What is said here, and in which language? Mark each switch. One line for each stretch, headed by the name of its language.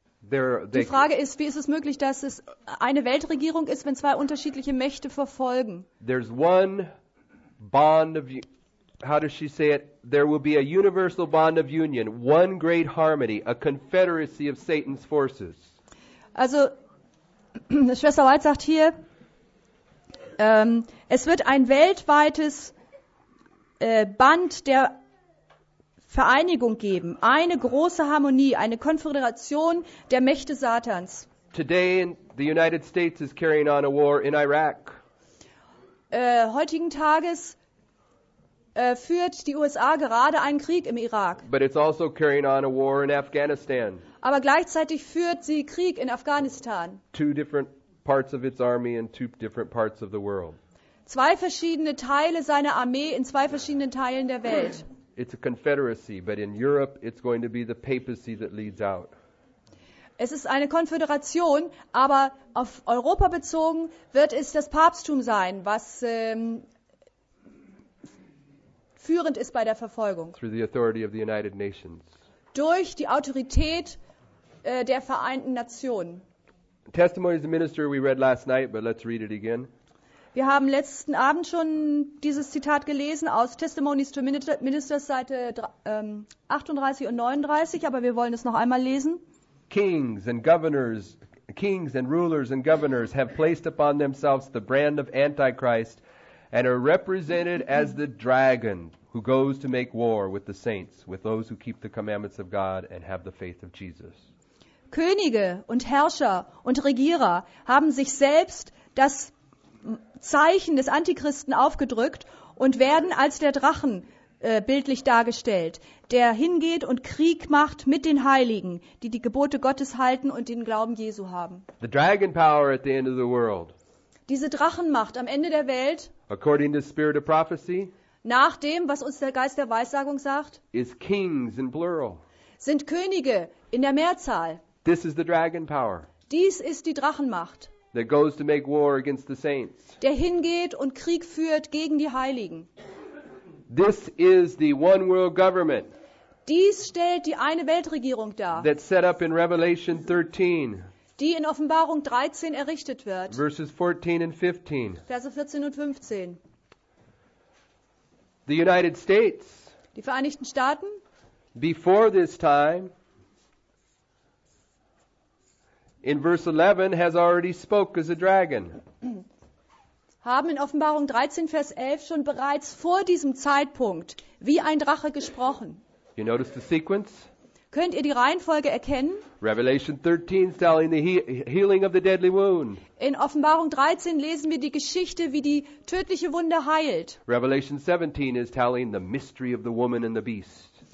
German: Die Frage ist, wie ist es möglich, dass es eine Weltregierung ist, wenn zwei unterschiedliche Mächte verfolgen?
English: There's one bond of, how does she say it? There will be a universal bond of union, one great harmony, a confederacy of Satan's forces.
German: Also, Schwester White sagt hier, es wird ein weltweites Band der Vereinigung geben, eine große Harmonie, eine Konföderation der Mächte Satans.
English: Today the United States is carrying on a war in Iraq.
German: Heutigen Tages führt die USA gerade einen Krieg im Irak.
English: But it's also carrying on a war in Afghanistan.
German: Aber gleichzeitig führt sie Krieg in Afghanistan.
English: Two different parts of its army in two different parts of the world.
German: Zwei verschiedene Teile seiner Armee in zwei verschiedenen Teilen der Welt.
English: It's a confederacy, but in Europe it's going to be the papacy that leads out.
German: Es ist eine Konföderation, aber auf Europa bezogen wird es das Papsttum sein, was führend ist bei der Verfolgung.
English: Through the authority of the United Nations.
German: Durch die Autorität der Vereinten Nationen.
English: Testimony of the Minister we read last night, but let's read it again.
German: Wir haben letzten Abend schon dieses Zitat gelesen aus Testimonies to Ministers, Seite 38 und 39, aber wir wollen es noch einmal lesen.
English: Kings and rulers and governors have placed upon themselves the brand of Antichrist and are represented as the dragon who goes to make war with the saints, with those who keep the commandments of God and have the faith of Jesus.
German: Könige und Herrscher und Regierer haben sich selbst das Zeichen des Antichristen aufgedrückt und werden als der Drachen bildlich dargestellt, der hingeht und Krieg macht mit den Heiligen, die die Gebote Gottes halten und den Glauben Jesu haben.
English: The dragon power at the end of the world.
German: Diese Drachenmacht am Ende der Welt,
English: according to spirit of prophecy,
German: nach dem, was uns der Geist der Weissagung sagt,
English: is kings in plural.
German: Sind Könige in der Mehrzahl.
English: This is the dragon power.
German: Dies ist die Drachenmacht.
English: That goes to make war against the saints.
German: Der hingeht und Krieg führt gegen die Heiligen.
English: This is the one world government.
German: Dies stellt die eine Weltregierung dar.
English: That's set up in Revelation 13.
German: Die in Offenbarung 13 errichtet wird.
English: Verses 14 and 15.
German: Verse 14 und 15.
English: The United States.
German: Die Vereinigten Staaten.
English: Before this time. In verse 11 has already spoke as a dragon.
German: Haben in Offenbarung 13 Vers 11 schon bereits vor diesem Zeitpunkt wie ein Drache gesprochen.
English: You notice the sequence?
German: Könnt ihr die Reihenfolge erkennen?
English: Revelation 13 telling the healing of the deadly wound.
German: In Offenbarung 13 lesen wir die Geschichte, wie die tödliche Wunde heilt.
English: Revelation 17 is telling the mystery of the woman and the beast.